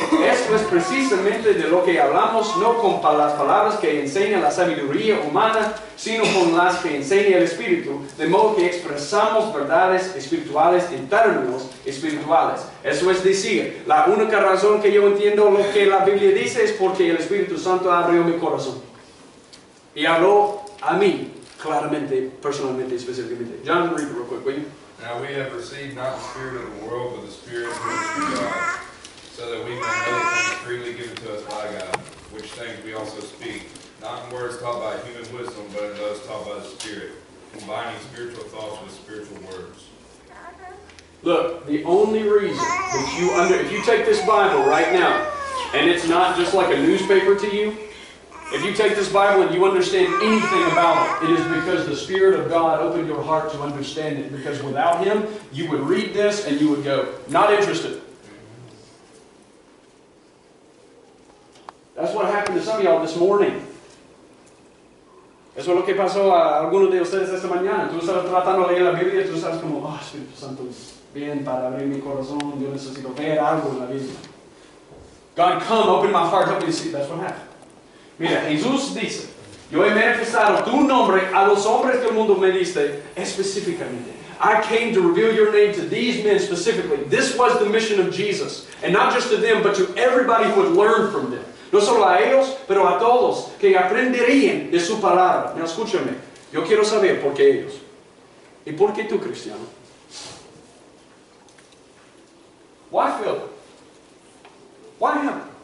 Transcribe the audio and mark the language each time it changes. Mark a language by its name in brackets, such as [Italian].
[Spanish] Esto es precisamente de lo que hablamos, no con las palabras que enseña la sabiduría humana, sino con las que enseña el Espíritu, de modo que expresamos verdades espirituales en términos espirituales. Eso es decir, la única razón que yo entiendo lo que la Biblia dice es porque el Espíritu Santo abrió mi corazón y habló a mí, claramente, personalmente, específicamente. [English] John, read it real quick, will you? Now we have received not the spirit of the world, but the spirit who is from God, so that we can know the things freely given to us by God, which things we also speak, not in words taught by human wisdom, but in those taught by the Spirit, combining spiritual thoughts with spiritual words. Look, the only reason that if you take this Bible right now, and it's not just like a newspaper to you, if you take this Bible and you understand anything about it, it is because the Spirit of God opened your heart to understand it. Because without Him, you would read this and you would go, not interested. That's what happened to some of y'all this morning. [Spanish] Eso es lo que pasó a algunos de ustedes esta mañana. Tú estás tratando de leer la Biblia y tú estás como, oh, Espíritu Santo, bien para abrir mi corazón. Yo necesito ver algo en la Biblia. [English] God, come, open my heart, help me see. That's what happened. [Spanish] Mira, Jesús dice, yo he manifestado tu nombre a los hombres del mundo me diste específicamente. [English] I came to reveal your name to these men specifically. This was the mission of Jesus. And not just to them, but to everybody who would learn from them. [Spanish] No solo a ellos, pero a todos que aprenderían de su palabra. Now, escúchame, yo quiero saber por qué ellos. ¿Y por qué tú, cristiano? [English] Why, Philip? Why him?